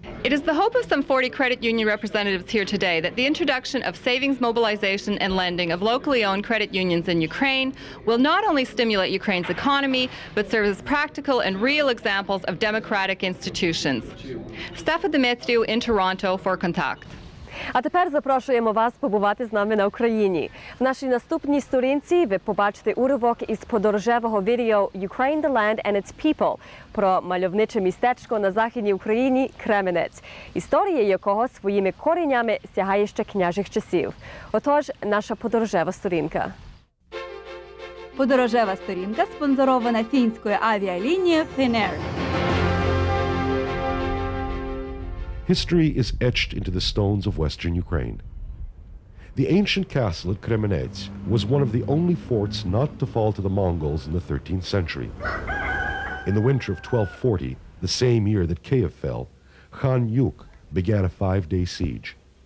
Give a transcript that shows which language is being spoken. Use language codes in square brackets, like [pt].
[en] It is the hope of some 40 credit union representatives here today that the introduction of savings mobilization and lending of locally owned credit unions in Ukraine will not only stimulate Ukraine's economy, but serve as practical and real examples of democratic institutions. Stefa Demetriou in Toronto for Kontakt. [uk] А тепер запрошуємо вас побувати з нами на Україні. В нашій наступній сторінці ви побачите уривок із подорожевого відео «Ukraine, the land and its people» про мальовниче містечко на західній Україні – Кременець, історія якого своїми коренями сягає ще княжих часів. Отож, наша подорожева сторінка. Подорожева сторінка спонсорована фінською авіалінією «Finnair». [en] History is etched into the stones of Western Ukraine. The ancient castle at Kremenets was one of the only forts not to fall to the Mongols in the 13th century. In the winter of 1240, the same year that Kiev fell, Khan Yuk began a 5-day siege.